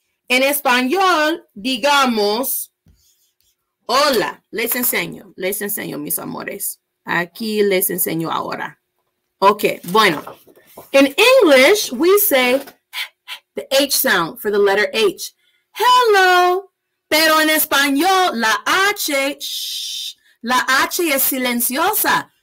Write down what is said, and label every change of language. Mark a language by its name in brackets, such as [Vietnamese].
[Spanish] En español, digamos, hola, les enseño, mis amores. Aquí les enseño ahora. Ok, bueno. [English] In English, we say the H sound for the letter H. Hello. [Spanish] Pero en español, la H, shh, la H es silenciosa.